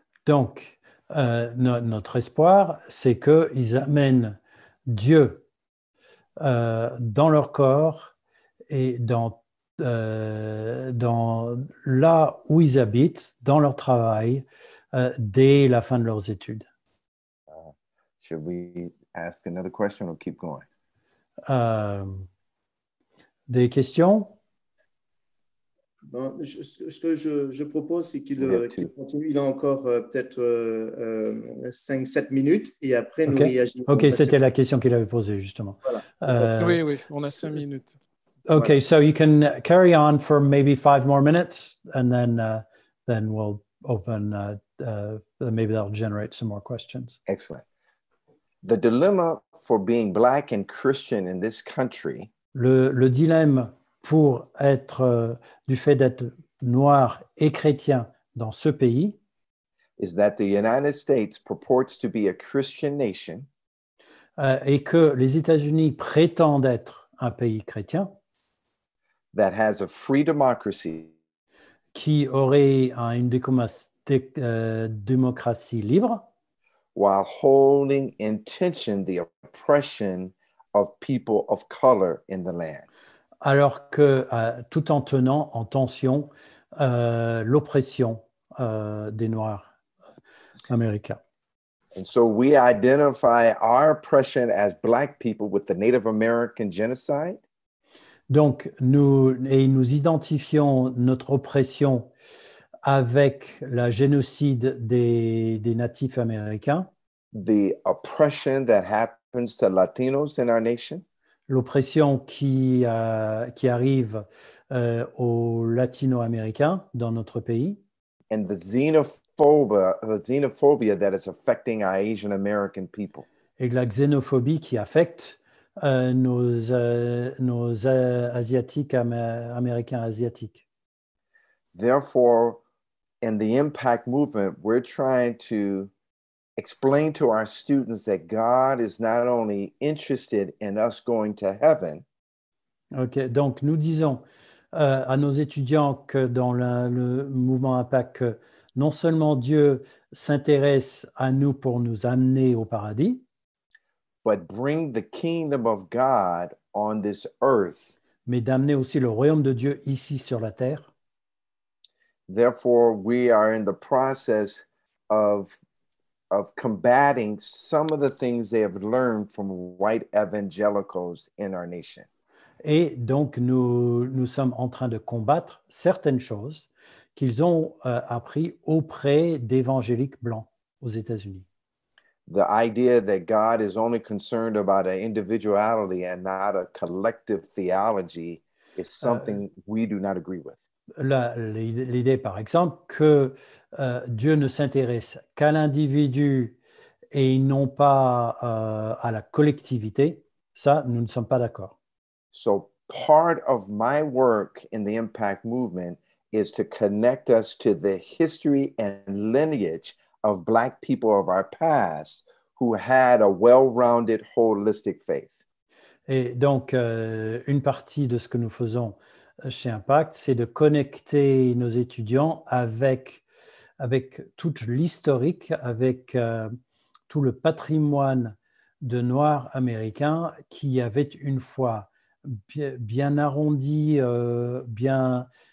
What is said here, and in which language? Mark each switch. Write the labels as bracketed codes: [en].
[fr] Donc, notre espoir, c'est qu'ils amènent Dieu dans leur corps et dans là où ils habitent, dans leur travail, dès la fin de leurs études. [en] Should we ask another question or keep going? [fr] Des questions? Bon, ce que je propose, c'est qu'il continue. Il a encore peut-être 5-7 minutes et après nous réagirons. Ok, c'était la question qu'il avait posée justement. Voilà. Oui, on a 5 minutes. Ok, voilà. [en] So you can carry on for maybe 5 more minutes and then we'll open, maybe that'll generate some more questions. Excellent. The dilemma for being Black and Christian in this country. [fr] Le dilemme. Pour être du fait d'être noir et chrétien dans ce pays, [en] is that the United States purports to be a Christian nation, [fr] et que les États-Unis prétendent être un pays chrétien, [en] that has a free democracy, [fr] qui aurait une démocratie libre, [en] while holding in tension the oppression of people of color in the land. [fr] Alors que tout en tenant en tension l'oppression des Noirs américains. [en] And so we identify our oppression as Black people with the Native American genocide. [fr] Donc nous identifions notre oppression avec la génocide des natifs américains. [en] The oppression that happens to Latinos in our nation. [fr] L'oppression qui arrive aux latino-américains dans notre pays. [en] And the xenophobia that is affecting our Asian American people. [fr] Et la xénophobie qui affecte nos asiatiques, américains asiatiques. [en] Therefore, in the Impact Movement, we're trying to explain to our students that God is not only interested in us going to heaven. [fr] Ok, donc nous disons à nos étudiants que dans le mouvement Impact, que non seulement Dieu s'intéresse à nous pour nous amener au paradis, [en] but bring the kingdom of God on this earth. [fr] Mais d'amener aussi le royaume de Dieu ici sur la terre. [en] Therefore, we are in the process of combating some of the things they have learned from white evangelicals in our nation. [fr] Et donc nous sommes en train de combattre certaines choses qu'ils ont appris auprès d'évangéliques blancs aux États-Unis. [en] The idea that God is only concerned about an individuality and not a collective theology is something we do not agree with. [fr] L'idée, par exemple, que Dieu ne s'intéresse qu'à l'individu et non pas à la collectivité, ça, nous ne sommes pas d'accord. [en] So part of my work in the Impact Movement is to connect us to the history and lineage of Black people of our past who had a well-rounded, holistic faith. [fr] Et donc, une partie de ce que nous faisons chez Impact, c'est de connecter nos étudiants avec toute l'historique, avec tout le patrimoine de Noirs américains qui avait une foi bien arrondie, bien